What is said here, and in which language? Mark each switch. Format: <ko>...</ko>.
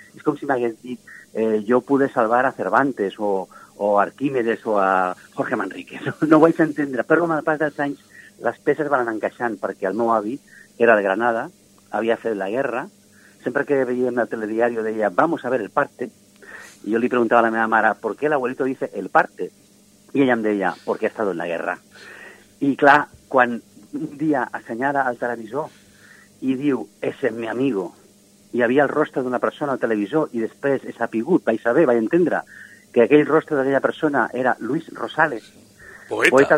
<ca>És com si m'hagués dit, jo</ca> <es>pude salvar a Cervantes o a Arquímedes o a Jorge Manrique.</es> <ca>No ho vaig entendre, però amb el pas dels anys les peces van encaixant, perquè el meu avi era de Granada, havia fet la guerra. Sempre que veiem el telediari deia,</ca> <es>vamos a ver el parte, Y yo le preguntaba a</es> <ca>la meva mare,</ca> <es>¿por qué el abuelito dice el parte? Y ella</es> <ca>em deia,</ca> <es>porque ha estado en la guerra.</es> <ca>I clar, quan un dia assenyala al televisor i diu,</ca> <es>ese es mi amigo,</es> <ca>i havia el rostre d'una persona al televisor i després és apigut, vaig saber, vaig entendre que aquell rostre d'aquella persona era Luis Rosales, poeta</ca>